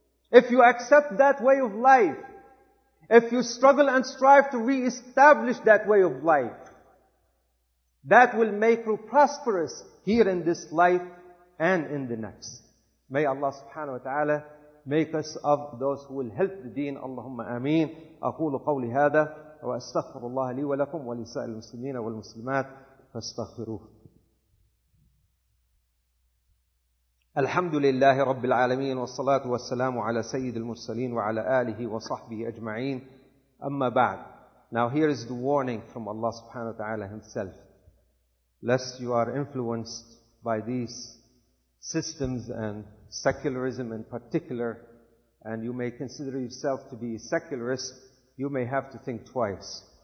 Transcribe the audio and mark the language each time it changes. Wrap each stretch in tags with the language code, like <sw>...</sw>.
<en>If you accept that way of life, if you struggle and strive to re-establish that way of life, that will make you prosperous here in this life and in the next. May Allah subhanahu wa ta'ala make us of those who will help the deen.</en> <ar>Allahumma ameen. Aqulu qawli hadha. وأستغفر الله لي ولكم ولسائر المسلمين والمسلمات فاستغفروه. الحمد لله رب العالمين, والصلاة والسلام على سيد المرسلين وعلى آله وصحبه أجمعين. أما بعد,</ar> <en>now here is the warning from Allah subhanahu wa ta'ala himself, lest you are influenced by these systems and secularism in particular, and you may consider yourself to be a secularist, you may have to think twice.</en>